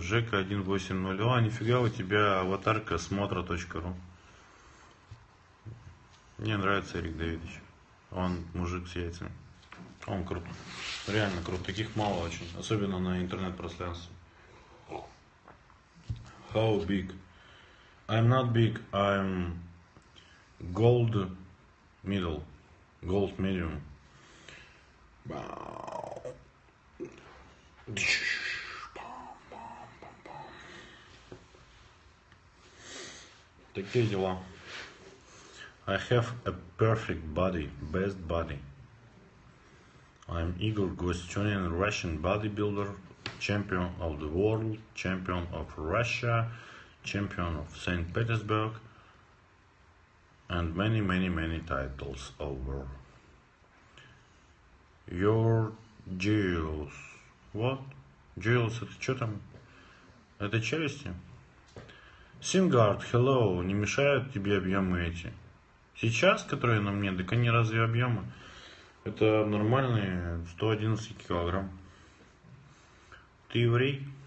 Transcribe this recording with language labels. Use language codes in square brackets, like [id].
[ru] ЖК180. О, нифига у тебя аватарка смотра.ру. Мне нравится Эрик Давидович. Он мужик с яйцами. Он крут. Реально крут. Таких мало очень. Особенно на интернет-пространстве. [en] How big? I'm not big, I'm gold middle, gold medium. [ru] Такие дела. [en] I have a perfect body, best body. I'm Igor Gostyunin, Russian bodybuilder. Champion of the world, champion of Russia, champion of St. Petersburg, and many, many, many titles over. Your jewels. What? [ru] Jewels, это что там? Это челюсти? Сингард, hello, не мешают тебе объемы эти? Сейчас, которые на мне, так они разве объемы? Это нормальные 111 килограмм. Ты еврей?